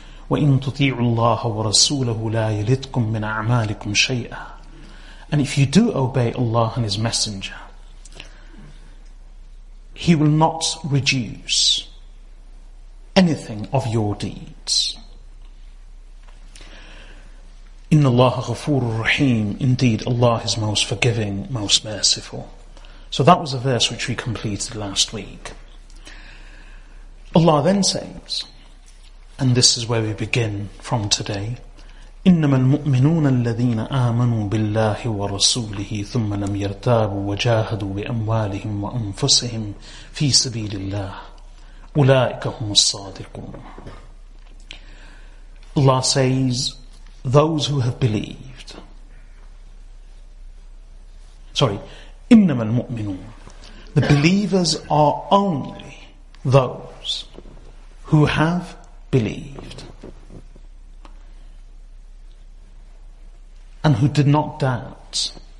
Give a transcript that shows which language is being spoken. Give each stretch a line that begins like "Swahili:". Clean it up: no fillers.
Arabic: وَإِن تُطِيعُ اللَّهَ وَرَسُولَهُ لَا يَلِدْكُمْ مِنْ أَعْمَالِكُمْ شَيْئًا
English: And if you do obey Allah and His Messenger, He will not reduce anything of your deeds.
Arabic: Inna Allah ghafoorur raheem,
English: indeed Allah is most forgiving, most merciful. So that was a verse which we completed last week. Allah then says, and this is where we begin from today,
Arabic: إِنَّمَا الْمُؤْمِنُونَ الَّذِينَ آمَنُوا بِاللَّهِ وَرَسُولِهِ ثُمَّ لَمْ يَرْتَابُوا وَجَاهَدُوا بِأَمْوَالِهِمْ وَأَنفُسِهِمْ فِي سَبِيلِ اللَّهِ أُولَٰئِكَ هُمُ الصَّادِقُونَ
English: Allah says, those who have believed. Sorry,
Arabic: إِنَّمَا الْمُؤْمِنُونَ
English: The believers are only those who have believed and who did not doubt